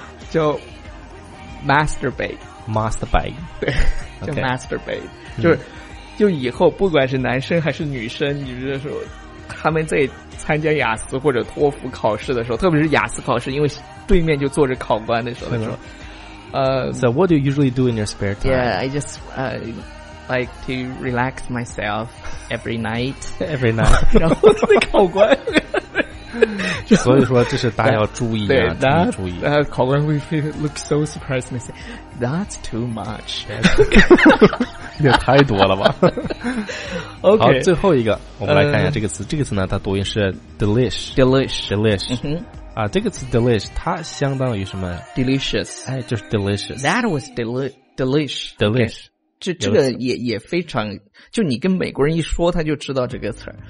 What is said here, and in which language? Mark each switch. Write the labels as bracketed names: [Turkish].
[Chinese] 叫 masturbate。 [English] masturbate， [Chinese] 对， [English] okay. [Chinese] 叫 masturbate， 就以后不管是男生还是女生，你就说他们在参加雅思或者托福考试的时候，特别是雅思考试，因为对面就坐着考官的时候，他说。 [English] So what do you usually do in your spare time? Yeah, I just like to relax myself every night. Every night. [Chinese] 然后他的考官所以说这是大家要注意啊，注意。 [English] 考官会 look so surprised and say, that's too much. [Chinese] 也太多了吧。 [English] Okay. [Chinese] 好，最后一个我们来看一下这个词。这个词呢它读音是 delish. [English] Delish. Delish.、Mm-hmm. [Chinese] 啊，这个词 delish 它相当于什么 [English] ？delicious， [Chinese] 哎，就是 delicious。 [English] That was delish。 delish， [Chinese] 这个也非常，就你跟美国人一说，他就知道这个词儿。